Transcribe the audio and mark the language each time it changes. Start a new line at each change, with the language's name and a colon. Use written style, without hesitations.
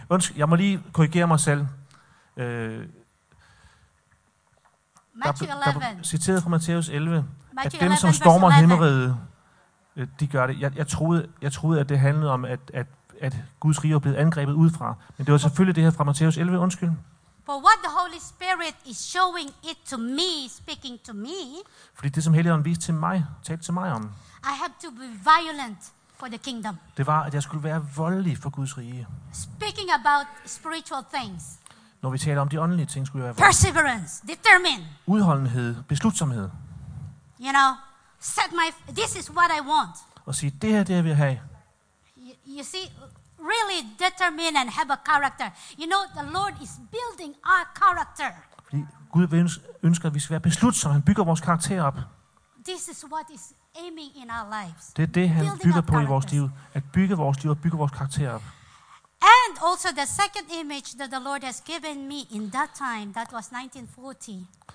Danish: Undskyld. Jeg må lige korrigere mig selv.
English: Matthew 11.
Danish: Citeret fra Matthæus 11. At dem som stormer himmeriget. De gør det. Jeg troede, at det handlede om, at Guds rige er blevet angrebet udefra. Men det var selvfølgelig det her fra Matthæus 11. Undskyld.
English: For what the Holy Spirit is showing it to me, speaking to me.
Danish: Fordi det, som Helligånden viste til mig, talte til mig om.
English: I have to be violent for the kingdom.
Danish: Det var, at jeg skulle være voldelig for Guds rige.
English: Speaking about spiritual things.
Danish: Når vi taler om de åndelige ting, skulle jeg være voldelig.
English: Perseverance, determine.
Danish: Udholdenhed, beslutsomhed.
English: You know. Set my. This is what I want.
Danish: Og sige, det her, det jeg vil have.
English: You see, really determine and have a character. You know, the Lord is building our character.
Danish: Fordi Gud ønsker, at vi skal være beslutsomme. Han bygger vores karakter op.
English: This is what is aiming in our lives.
Danish: Det er det, han
English: building
Danish: bygger på characters. I vores liv. At bygge vores liv og bygge vores karakter op.
English: And also the second image that the Lord has given me in that time, that was 1940.